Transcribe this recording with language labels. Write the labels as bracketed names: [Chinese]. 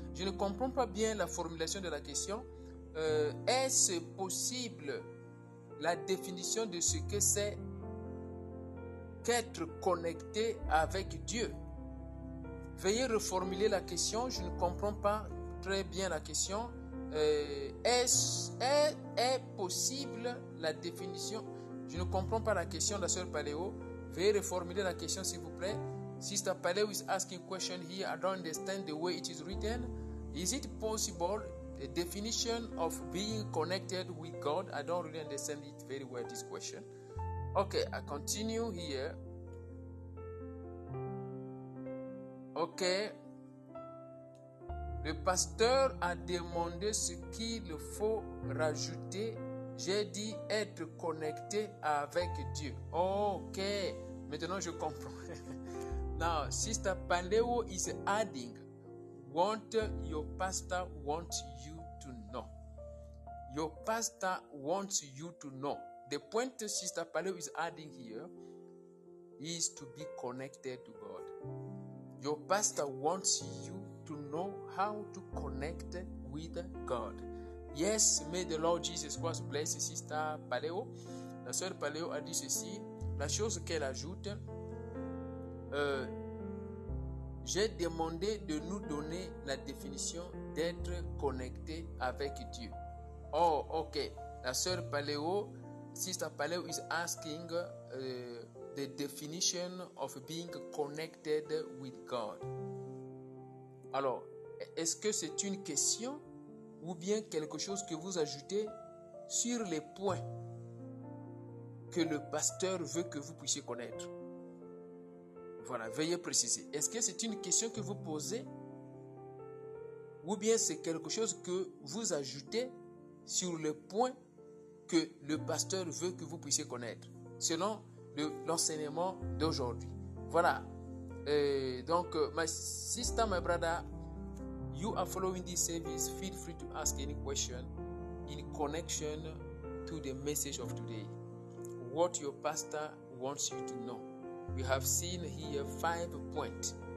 [French] Je ne comprends pas bien la formulation de la question. Est-ce possible la définition de ce que c'est qu'être connecté avec Dieu? Veuillez reformuler la question, je ne comprends pas très bien la question. Est-ce possible la définition? Je ne comprends pas la question de la sœur Paléo. Veuillez reformuler la question, s'il vous plaît. [English] Sister Paléo is asking question here. I don't understand the way it is written. Is it possible the definition of being connected with God? I don't really understand it very well, this question. Okay, I continue here. Okay. [French] Le pasteur a demandé ce qu'il faut rajouter. J'ai dit être connecté avec Dieu. Ok, maintenant je comprends. [English] Now, Sister Paléo is adding what your pastor wants you to know. Your pastor wants you to know. The point Sister Paléo is adding here is to be connected to God. Your pastor wants you to know how to connect with God. Yes, may the Lord Jesus Christ bless Sister Paléo. [French] La sœur Paléo a dit ceci, la chose qu'elle ajoute, j'ai demandé de nous donner la définition d'être connecté avec Dieu. Oh, ok. [English] La sœur Paléo, Sister Paléo is asking the definition of being connected with God. [French] Alors, est-ce que c'est une question ou bien quelque chose que vous ajoutez sur les points que le pasteur veut que vous puissiez connaître? Voilà, veuillez préciser. Est-ce que c'est une question que vous posez ou bien c'est quelque chose que vous ajoutez sur les points que le pasteur veut que vous puissiez connaître selon l'enseignement d'aujourd'hui? Voilà. Donc, [English] my sister, my brother, you are following this service, feel free to ask any question in connection to the message of today. What your pastor wants you to know. We have seen here five points.